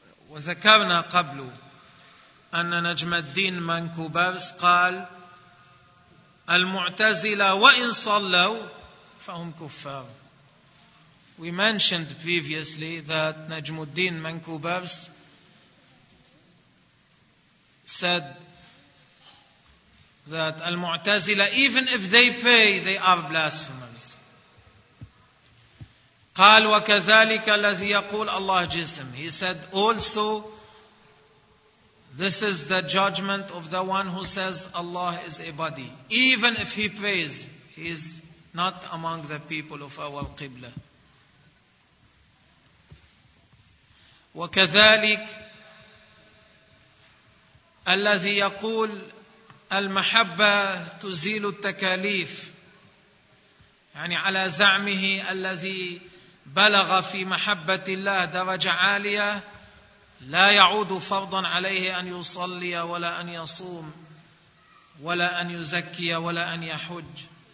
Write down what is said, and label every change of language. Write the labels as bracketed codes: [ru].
[ar] وذكرنا قبل أن نجم الدين منكوبرس قال المعتزلة وإن صلوا فهم كفار. [en] We mentioned previously that Najmuddin Mankubars said that Al-Mu'tazila, even if they pray, they are blasphemers. [ar] قال وكذلك الذي يقول الله جسم. [en] He said also, this is the judgment of the one who says Allah is a body. Even if he prays, he is not among the people of our Qibla. [ar] وكذلك الذي يقول المحبة تزيل التكاليف، يعني على زعمه الذي بلغ في محبة الله درجة عالية لا يعود فرضا عليه أن يصلي ولا أن يصوم ولا أن يزكي ولا أن يحج.